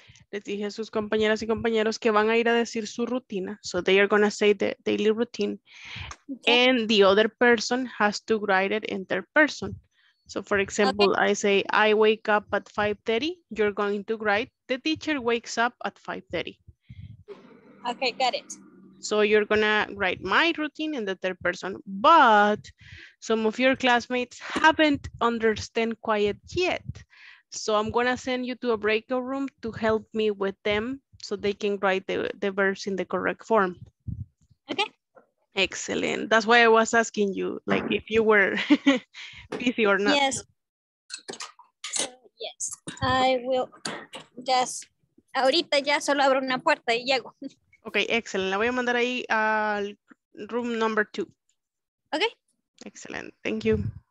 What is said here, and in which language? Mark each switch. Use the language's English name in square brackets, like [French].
[Spanish] Les dije a sus compañeras y compañeros que van a ir a decir su rutina. [English] So they are going to say the daily routine. Okay. And the other person has to write it in their person. So for example, okay. I say, I wake up at 5:30. You're going to write, the teacher wakes up at 5:30. Okay, got it. So you're going to write my routine in the third person. But some of your classmates haven't understand quiet yet. So I'm going to send you to a breakout room to help me with them so they can write the verbs in the correct form. Okay. Excellent. That's why I was asking you, like, if you were busy or not. Yes. Yes. I will just, [Spanish] ahorita ya solo abro una puerta y llego. [English] Okay, excellent. [Spanish] La voy a mandar ahí al [English] room number 2. Okay. Excellent. Thank you.